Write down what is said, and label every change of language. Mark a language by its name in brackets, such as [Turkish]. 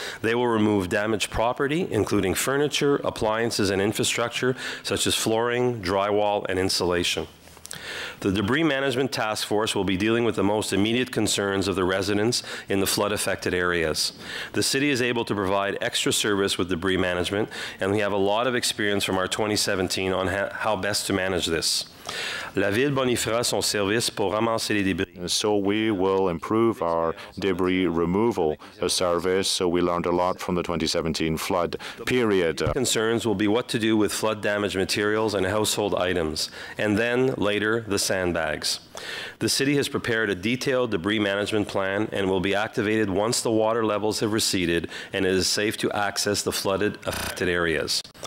[English] They will remove damaged property, including furniture, appliances, and infrastructure, such as flooring, drywall, and insulation. The Debris Management Task Force will be dealing with the most immediate concerns of the residents in the flood-affected areas. The city is able to provide extra service with debris management, and we have a lot of experience from our 2017 on how best to manage this. [French] La ville bonifiera son service pour ramasser les débris. [English] So we will improve our debris removal service. So we learned a lot from the 2017 flood period. The concerns will be what to do with flood damaged materials and household items, and then later the sandbags. The city has prepared a detailed debris management plan and will be activated once the water levels have receded and it is safe to access the flooded affected areas.